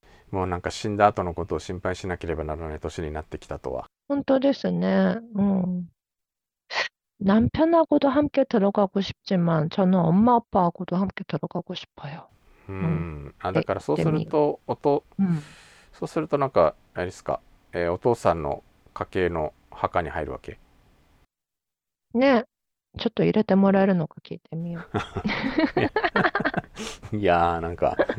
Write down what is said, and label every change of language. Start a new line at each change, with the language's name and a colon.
Japanese: もうなんか死んだ後のことを心配しなければならない年になってきたとは。本当ですね。
Korean: 남편하고도 함께 들어가고 싶지만, 저는 엄마 아빠하고도 함께 들어가고 싶어요.
Japanese: だからそうすると、そうするとなんか、あれですか、お父さんの家系の墓に入るわけ。ねえ、ちょっと入れてもらえるのか聞いてみよう。いやー、なんか